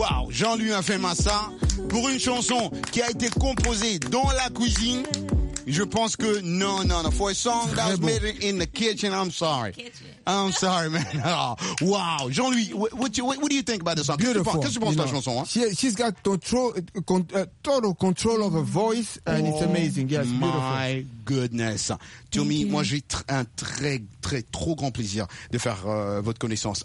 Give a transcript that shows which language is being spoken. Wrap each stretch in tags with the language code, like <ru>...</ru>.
<fr>Jean-Louis a fait Massa pour une chanson qui a été composée dans la cuisine. Je pense que non.</fr> <en>For a song that was made in the kitchen, I'm sorry. I'm sorry, man. Wow. Jean-Louis, what do you think about the song? Beautiful.</en> <fr>Qu'est-ce que tu penses de la chanson? Hein?</fr> <en>She's got total control of her voice and it's amazing. Yes, beautiful. My goodness.</en> <fr>Tommy, moi j'ai un trop grand plaisir de faire votre connaissance.</fr>